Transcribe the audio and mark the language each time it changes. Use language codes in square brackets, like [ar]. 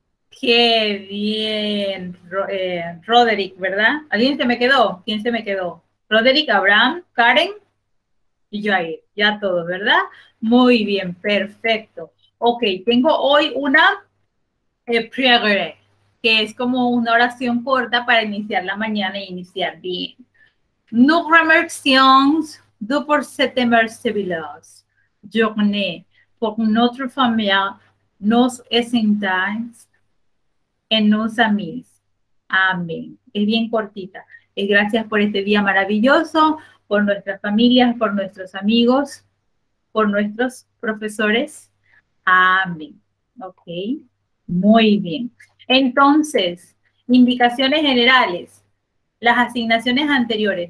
[es] Qué bien, Roderick, ¿verdad? ¿Alguien se me quedó? ¿Quién se me quedó? Roderick, Abraham, Karen y yo ahí. Ya todos, ¿verdad? Muy bien, perfecto. Ok, tengo hoy una. Que es como una oración corta para iniciar la mañana e iniciar bien. [fr] Nous remercions Dieu pour cette merveilleuse journée, pour notre famille, nos esseintes et nos amis. [es] Amén. Es bien cortita. Es gracias por este día maravilloso, por nuestras familias, por nuestros amigos, por nuestros profesores. Amén. Ok. Muy bien. Entonces, indicaciones generales. Las asignaciones anteriores.